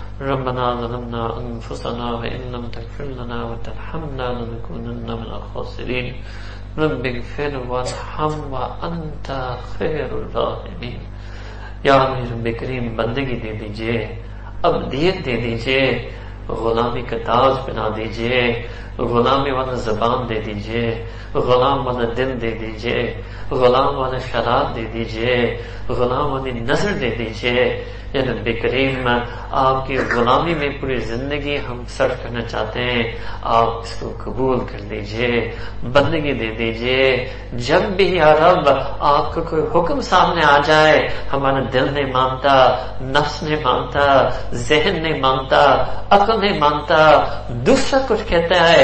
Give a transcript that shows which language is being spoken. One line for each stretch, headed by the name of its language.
Arabic: ربنا ظلمنا أنفسنا وإن لم تغفر لنا وترحمنا لنكونن من الخاسرين. رب اغفر وارحم وأنت خير الراحمين.
Urdu: يا رب كريم بندگی دے دیجئے, ابدیت دے دیجئے, غلامی کا تاج بنا دیجئے, غلامی والا زبان دے دیجئے, غلام والا دل دے دیجئے, غلام والا شراب دے دیجئے, غلام والی نظر دے دیجئے. یا رب کریم آپ کی غلامی میں پوری زندگی ہم صرف کرنا چاہتے ہیں, آپ اس کو قبول کر دیجئے, بندگی دے دیجئے. جب بھی یا رب آپ کا کوئی حکم سامنے آ جائے, ہمارا دل نہیں مانتا, نفس نہیں مانتا, ذہن نہیں مانتا, عقل نہیں مانتا, دوسرا کچھ کہتا ہے,